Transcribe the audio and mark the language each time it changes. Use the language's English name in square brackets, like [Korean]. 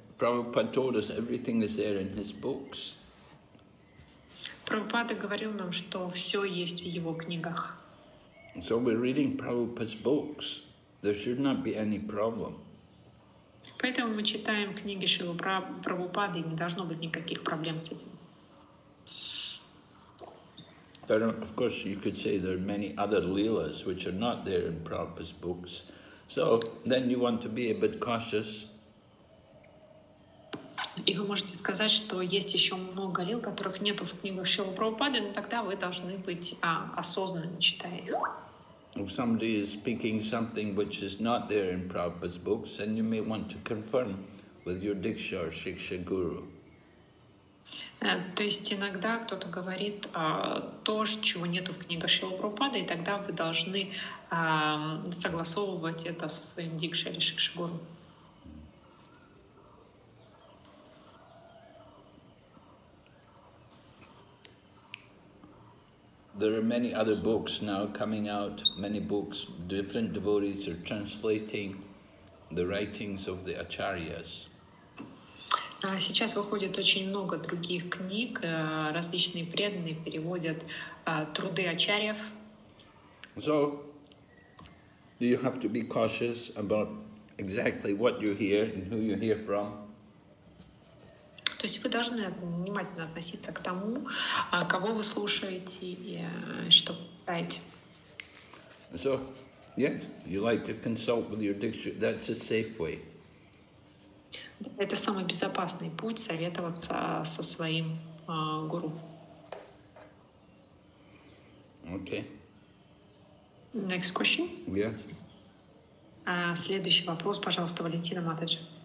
[English] Prabhupada told us everything is there in his books. [Russian] Прабхупада говорил нам, что все есть в его книгах. [English] So we're reading Prabhupada's books. There should not be any problem. [Russian] Поэтому мы читаем книги Шрилы Прабхупады, и не должно быть никаких проблем с этим. [English] There are, of course, you could say there are many other leelas which are not there in Prabhupada's books. So then you want to be a bit cautious. [Russian] И вы можете сказать, что есть еще много лил, которых нету в книгах Шрилы Прабхупады, но тогда вы должны быть осознанными, читая их. [English] If somebody is speaking something which is not there in Prabhupada's books, then you may want to confirm with your Diksha or Shiksha Guru. [Russian] То есть иногда кто-то говорит то, чего нету в книгах Шрилы Прабхупады, и тогда вы должны согласовывать это со своим Дикшей или Шикшей Гуру. [English] There are many other books now coming out, many books, different devotees are translating the writings of the acharyas. [Russian] Сейчас выходит очень много других книг, различные преданные переводят труды ачарьев. [English] So, you have to be cautious about exactly what you hear and who you hear from. [Russian] То есть вы должны внимательно относиться к тому, кого вы слушаете и что читаете. [English] So, yes, you like to consult with your dictionary. That's a safe way. [Russian] Это самый безопасный путь советоваться со своим гуру. [English] Okay. Next question. Yes. [Russian] Следующий вопрос, пожалуйста, Валентина Матаджи.